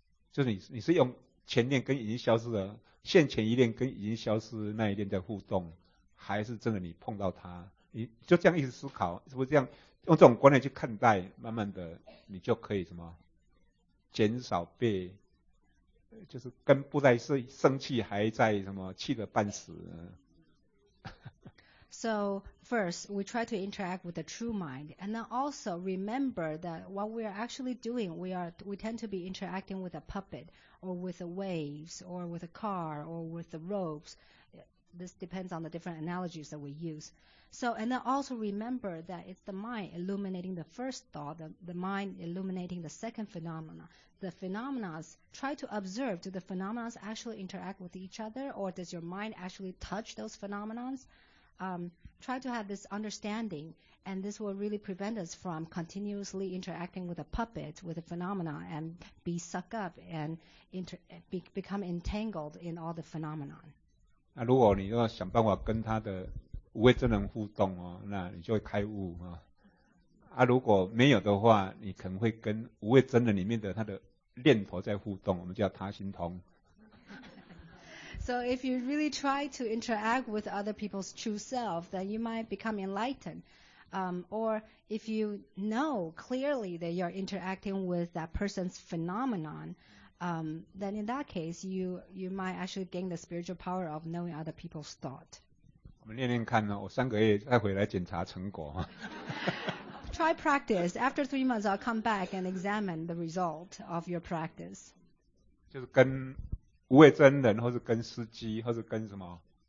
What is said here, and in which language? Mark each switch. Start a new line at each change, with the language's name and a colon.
Chinese: 就是你是用前念跟已经消失的现前一念跟已经消失那一念在互动，还是真的你碰到它？你就这样一直思考，是不是这样？用这种观念去看待，慢慢的你就可以什么减少被，就是跟布袋戏生气还在什么气得半死。
English: So first, we try to interact with the true mind, and then also remember that what we are actually doing, we tend to be interacting with a puppet, or with the waves, or with a car, or with the ropes. This depends on the different analogies that we use. So, and then also remember that it's the mind illuminating the first thought, the mind illuminating the second phenomena. The phenomena, try to observe, do the phenomena actually interact with each other, or does your mind actually touch those phenomena? Try to have this understanding, and this will really prevent us from continuously interacting with a puppet, with a phenomena, and be sucked up and become entangled in all the phenomena.
Chinese: 那如果你要想办法跟他的无畏真人互动哦，那你就会开悟啊。如果没有的话，你可能会跟无畏真人里面的他的念头在互动，我们叫他心通。
English: So if you really try to interact with other people's true self, then you might become enlightened. Or if you know clearly that you're interacting with that person's phenomenon, then in that case, you might actually gain the spiritual power of knowing other people's thought.
Chinese: 我们练练看呢，我三个月再回来检查成果。
English: Try practice. After 3 months, I'll come back and examine the result of your practice.
Chinese: 就是跟无畏真人，或是跟司机，或是跟什么？